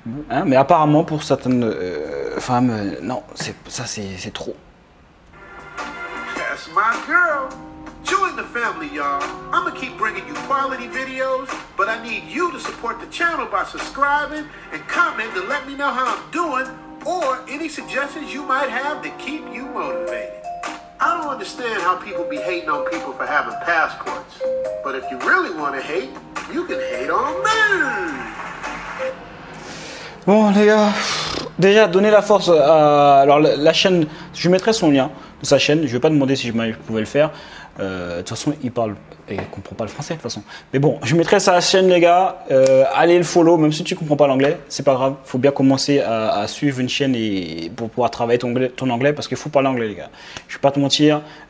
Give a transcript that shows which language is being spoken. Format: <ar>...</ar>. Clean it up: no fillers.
<fr>Hein, mais apparemment, pour certaines femmes, non, c'est trop.</fr> <en>That's my girl. Join the family, y'all. I'm gonna keep bringing you quality videos, but I need you to support the channel by subscribing and comment to let me know how I'm doing or any suggestions you might have to keep you motivated. I don't understand how people be hating on people for having passports. But if you really want to hate, you can hate on me.</en> <fr>Bon, les gars, déjà, donnez la force à... Alors, la chaîne, je mettrai son lien de sa chaîne. Je ne vais pas demander si je pouvais le faire. De toute façon, il parle et il ne comprend pas le français, de toute façon. Mais bon, je mettrai sa chaîne, les gars. Allez le follow, même si tu ne comprends pas l'anglais. Ce n'est pas grave. Il faut bien commencer à suivre une chaîne et pour pouvoir travailler ton anglais parce qu'il faut parler anglais, les gars. Je ne vais pas te mentir.</fr>